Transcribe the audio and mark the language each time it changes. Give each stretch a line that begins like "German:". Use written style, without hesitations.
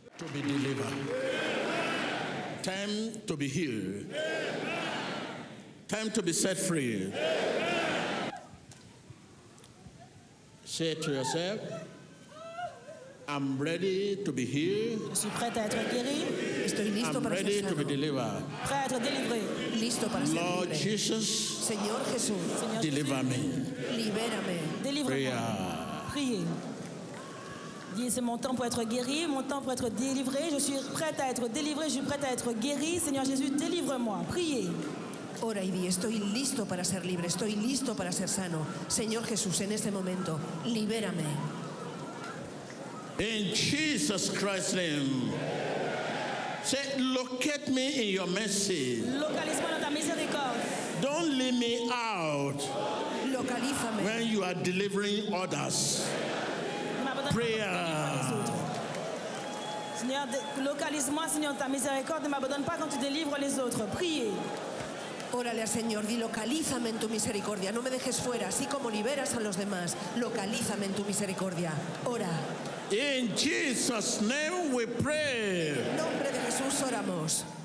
English: to be delivered. Time to be healed. Time to be set free. Say to yourself, I'm ready to be healed.
French: Je suis prêt à être guéri.
Spanish: Estoy listo
English: I'm
Spanish: para
English: ready
Spanish: ser
English: to be delivered.
French: Prêt à être délivré.
Spanish: Listo para
English: Lord
Spanish: ser
English: Jesus,
Spanish: Señor Jesús,
English: deliver me.
Spanish: Libérame.
French: Délivre-moi. Prier. Dis, c'est mon temps pour être guéri, mon temps pour être délivré. Je suis prêt à être délivré, je suis prêt à être guéri. Seigneur Jésus, délivre-moi. Priez.
Spanish: Ora y di, estoy listo para ser libre, estoy listo para ser sano. Señor Jesús, en este momento, libérame.
English: In Jesus Christ's name. Say, locate me in your mercy.
French: Localise-moi dans ta miséricorde.
English: Don't leave me out.
Spanish: Localízame.
English: When you are delivering others. Prayer.
French: Seigneur, localise-moi, Seigneur, ta miséricorde, ne m'abandonne pas quand tu délivres les autres. Priez.
Spanish: Órale al Señor, di localízame en tu misericordia, no me dejes fuera, así como liberas a los demás, localízame en tu misericordia. Ora.
English: In Jesus name we pray.
Spanish: En el nombre de Jesús oramos.